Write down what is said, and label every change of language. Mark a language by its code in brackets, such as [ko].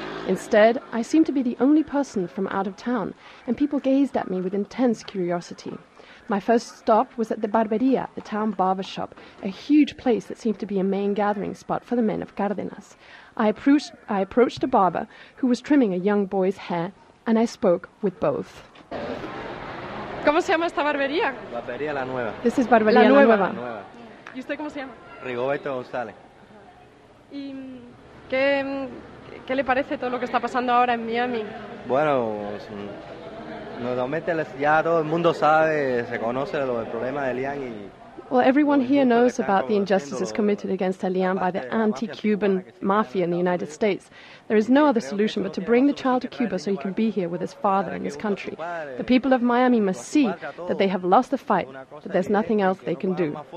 [en] Instead, I seemed to be the only person from out of town, and people gazed at me with intense curiosity. My first stop was at the Barbería, the town barbershop, a huge place that seemed to be a main gathering spot for the men of Cárdenas. I approached a barber who was trimming a young boy's hair, and I spoke with both. [es] ¿Cómo se llama esta barbería? Barbería La Nueva. [en] This is Barbería La [es] Nueva. La Nueva. ¿Y usted cómo se llama? Rigoberto González. ¿Y qué le parece todo lo que está pasando ahora en Miami? Bueno, normalmente ya todo el mundo sabe, se conoce lo del problema de Elian y... [en] Well, everyone here knows about the injustices committed against Elian by the anti-Cuban mafia in the United States. There is no other solution but to bring the child to Cuba so he can be here with his father in his country. The people of Miami must see that they have lost the fight, that there's nothing else they can do.